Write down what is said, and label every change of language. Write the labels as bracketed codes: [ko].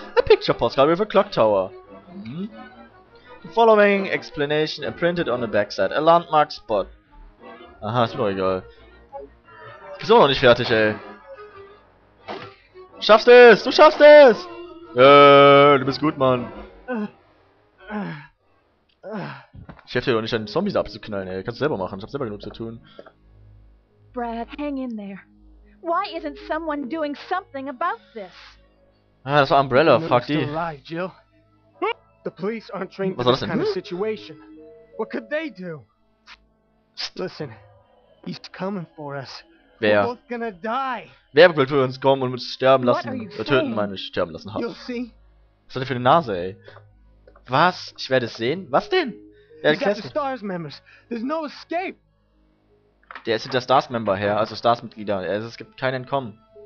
[en] A picture postcard with a clock tower. The following explanation imprinted on the backside. A landmark spot. [de] Aha, ist mir doch egal. Ich bin immer noch nicht fertig, ey. Du schaffst es! Du schaffst es! Du bist gut, Mann. Ich helfe dir doch nicht, deine Zombies abzuknallen, ey. Kannst du selber machen. Ich hab selber genug zu tun. [en] Brad, hang in there. Why isn't someone doing something about this? [de] Ah, das war Umbrella, fuck die. [en] Alive, Jill. The police aren't trained for this kind of situation. What could they do? Listen, he's coming for us. [de] Wer? [en] We're both gonna die. [de] Wer wird für uns kommen und uns sterben lassen? Töten, meine ich, sterben lassen haben. [en] You'll see. [de] Was hat er für eine Nase, ey? Was? Ich werde es sehen? Was denn? Er hat [en] the Stars members. There's no escape. [de] Der ist hinter Stars-Member her, also Stars-Mitglieder. Also es gibt kein Entkommen.